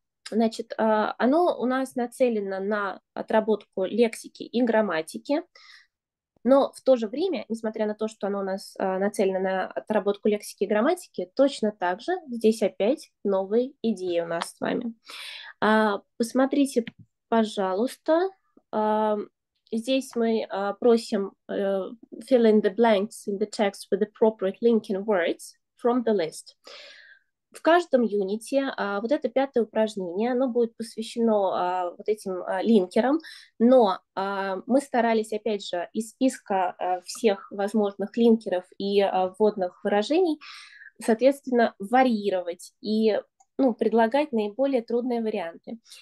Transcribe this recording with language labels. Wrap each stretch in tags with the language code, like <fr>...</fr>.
<ru>Значит, оно у нас нацелено на отработку лексики и грамматики, но в то же время, несмотря на то, что оно у нас нацелено на отработку лексики и грамматики, точно так же здесь опять новые идеи у нас с вами. Посмотрите, пожалуйста, здесь мы просим</ru> <en>fill in the blanks in the text with appropriate linking words from the list.</en> <ru>В каждом юните вот это пятое упражнение, оно будет посвящено вот этим линкерам, но мы старались, опять же, из списка всех возможных линкеров и вводных выражений, соответственно, варьировать и, ну, предлагать наиболее трудные варианты.</ru>